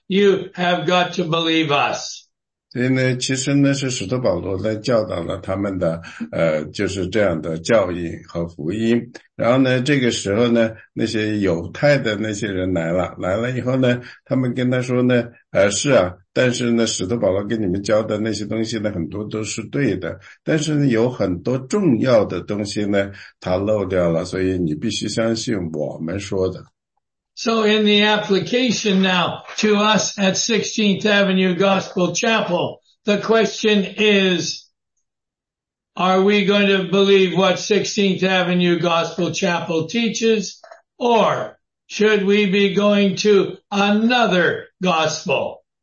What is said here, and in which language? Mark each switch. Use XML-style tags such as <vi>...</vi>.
<en>You have got to believe us.</en> <zh>所以呢，其实呢是使徒保罗呢教导了他们的就是这样的教义和福音。然后呢，这个时候呢，那些犹太的那些人来了，来了以后呢，他们跟他说呢，是啊，但是呢，使徒保罗给你们教的那些东西呢，很多都是对的，但是呢，有很多重要的东西呢，他漏掉了，所以你必须相信我们说的。</zh> <en>So in the application now to us at 16th Avenue Gospel Chapel, the question is, are we going to believe what 16th Avenue Gospel Chapel teaches, or should we be going to another gospel?</en>